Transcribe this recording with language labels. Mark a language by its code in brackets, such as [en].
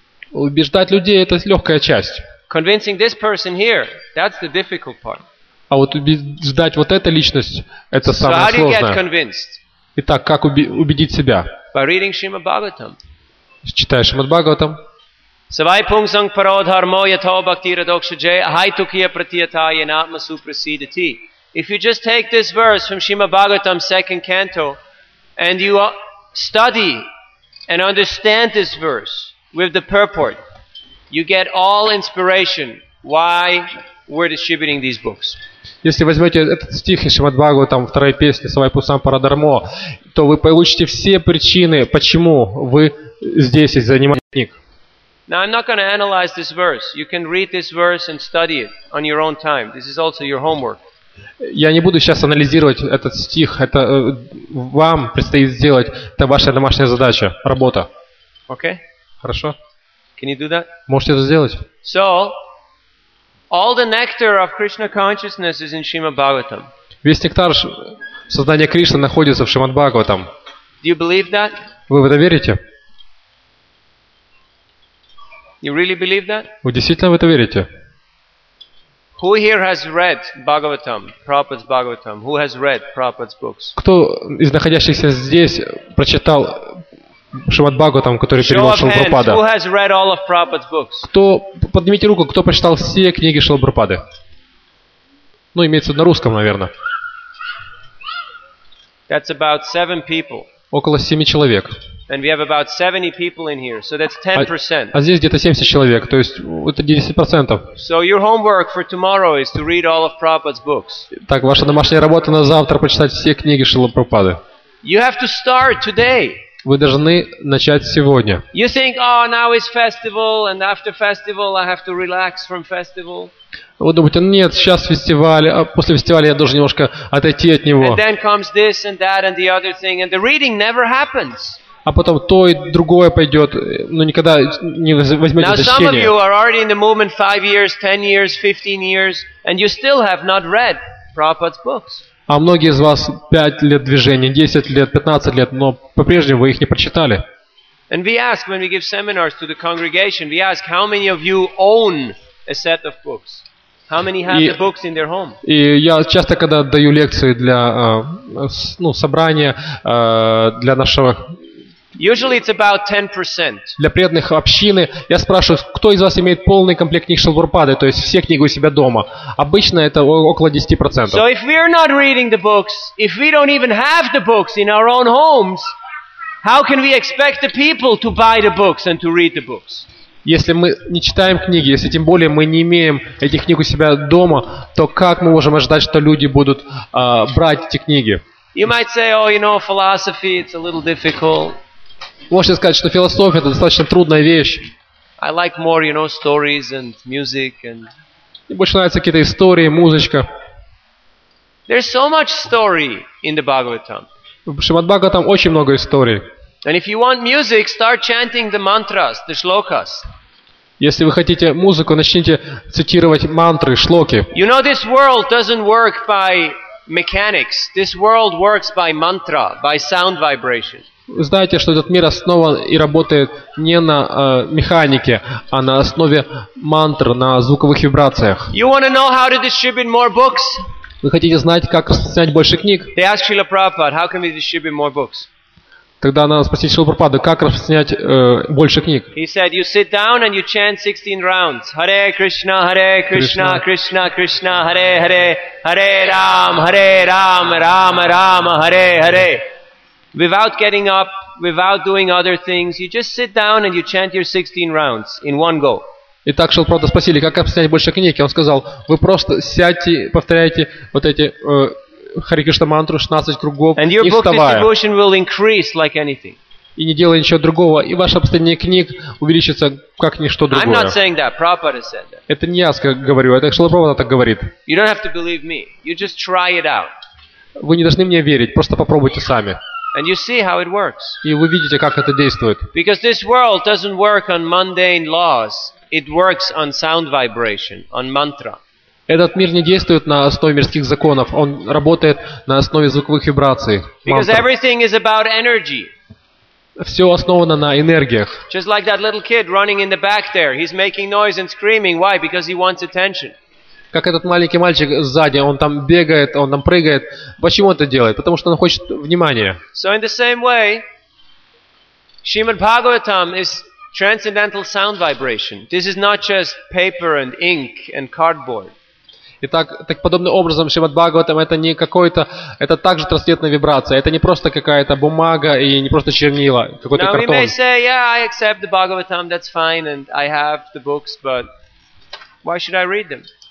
[ru] Убеждать людей – это легкая часть. [en] Convincing this person here – that's the difficult part. [ru] А вот убеждать вот эту личность, это самое сложное. Итак, как убедить себя? [en] By reading Shrimad Bhagavatam. [ru] Читая Шримад Бхагаватам. [sa] Савай пунгсанг пародхармо ятхо бхактира докша джея ахайтукия пратията енатма супрасидати. [en] If you just take this verse from Shrimad Bhagavatam, second canto, and you study and understand this verse with the purport, you get all inspiration why we're distributing these books. [ru] Если возьмете этот стих из Шримад Бхагаватам, вторая песня «Савайпусам Парадармо», то вы получите все причины, почему вы здесь и занимаетесь книг. [en] Now I'm not going to analyze this verse. You can read this verse and study it on your own time. This is also your homework. [ru] Я не буду сейчас анализировать этот стих. Это вам предстоит сделать. Это ваша домашняя задача, работа. [en] Okay. [ru] Хорошо. [en] Can you do that? [ru] Можете это сделать. [en] So. All the nectar of Krishna consciousness is in Shrimad Bhagavatam. [ru] Весь нектар сознания Кришны находится в Шримад Бхагаватам. [en] Do you believe that? [ru] Вы в это верите? [en] You really believe that? [ru] Вы действительно в это верите? [en] Who here has read Bhagavatam, Prabhupada's Bhagavatam? Who has read Prabhupada's books? [ru] Кто из находящихся здесь прочитал Шримад Бхагаватам, который перевел Шрила Прабхупада? [en] Who has read all of Prabhupada's books? [ru] Кто, поднимите руку, кто прочитал все книги Шрила Прабхупады? Ну, имеется на русском, наверное. [en] That's about 7 people. [ru] Около 7 человек. [en] And we have about 70 people in here, so that's 10%. [ru] А здесь где-то 70 человек, то есть это 10%. [en] So your homework for tomorrow is to read all of Prabhupada's books. [ru] Так, ваша домашняя работа на завтра — прочитать все книги Шрила Прабхупады. [en] You have to start today. [ru] Вы должны начать сегодня. [en] You think, oh, now it's festival, and after festival I have to relax from festival. [ru] Вы думаете, нет, сейчас фестиваль, а после фестиваля я должен немножко отойти от него. [en] And then comes this and that and the other thing, and the reading never happens. [ru] А потом то и другое пойдет, но никогда не возьмете это чтение. [en] Now some of you are already in the movement 5 years, 10 years, 15 years, and you still have not read Prabhupada's books. [ru] А многие из вас 5 лет движения, 10 лет, 15 лет, но по-прежнему вы их не прочитали. [en] And we ask when we give seminars to the congregation, we ask how many of you own a set of books? How many have the books in their home? [ru] И я часто, когда даю лекции для собрания для нашего. [en] Usually it's about 10%. [ru] Для преданных общины я спрашиваю, кто из вас имеет полный комплект книг Шрилы Прабхупады, то есть все книги у себя дома. Обычно это около 10%. [en] So if we're not reading the books, if we don't even have the books in our own homes, how can we expect the people to buy the books and to read the books? [ru] Если мы не читаем книги, если тем более мы не имеем этих книг у себя дома, то как мы можем ожидать, что люди будут брать эти книги? [en] You might say, oh, you know, philosophy, it's a little difficult. [ru] Можете сказать, что философия — это достаточно трудная вещь. [en] I like more, you know, stories and music and. [ru] Мне больше нравятся какие-то истории, музычка. [en] There's so much story in the Bhagavatam. [ru] В Шримад-Бхагаватам очень много историй. [en] And if you want music, start chanting the mantras, the shlokas. [ru] Если вы хотите музыку, начните цитировать мантры, шлоки. [en] You know, this world doesn't work by mechanics. This world works by mantra, by sound vibration. [ru] Вы знаете, что этот мир основан и работает не на механике, а на основе мантр, на звуковых вибрациях. [en] You want to know how to distribute more books? [ru] Вы хотите знать, как распространять больше книг? [en] They ask Srila Prabhupada, how can we distribute more books? [ru] Тогда надо спросить Шрилу Прабхупаду, как распространять больше книг. [en] He said, you sit down and you chant 16 rounds. Hare Krishna, Hare Krishna, Krishna Krishna, Hare Hare, Hare Ram, Hare Ram, Ram Ram, Hare Hare. Without getting up, without doing other things, you just sit down and you chant your 16 rounds in one go. [ru] Итак, Шрилу Прабхупаду спросили, как распространять больше книг. Он сказал, вы просто сядьте, повторяйте вот эти... Харе Кришна мантру 16 кругов, [en] and your [ru] не [en] book [ru] вставая. [en] Distribution will increase like anything. [ru] И не делая ничего другого, и ваше обстояние книг увеличится как ничто другое. [en] I'm not saying that. Prabhupada said that. [ru] Это не я говорю, это Шрила Прабхупада так говорит. [en] You don't have to believe me. You just try it out. [ru] Вы не должны мне верить, просто попробуйте сами. [en] And you see how it works. [ru] И вы видите, как это действует. [en] Because this world doesn't work on mundane laws. It works on sound vibration, on mantra. [ru] Этот мир не действует на основе мирских законов, он работает на основе звуковых вибраций. [en] Because everything is about energy. [ru] Все основано на энергиях. [en] Just like that little kid running in the back there, he's making noise and screaming. Why? Because he wants attention. [ru] Как этот маленький мальчик сзади, он там бегает, он там прыгает. Почему он это делает? Потому что он хочет внимания. [en] So in the same way, Srimad Bhagavatam is transcendental sound vibration. This is not just paper and ink and cardboard. [ru] Итак, так подобным образом Шримад-Бхагаватам это не какой-то, это также трансцендентная вибрация. Это не просто какая-то бумага и не просто чернила, какой-то [en] Now, [ru] картон. [en] Now you may say, yeah, I accept the Bhagavatam, that's fine, and I have the books, but why should I read them?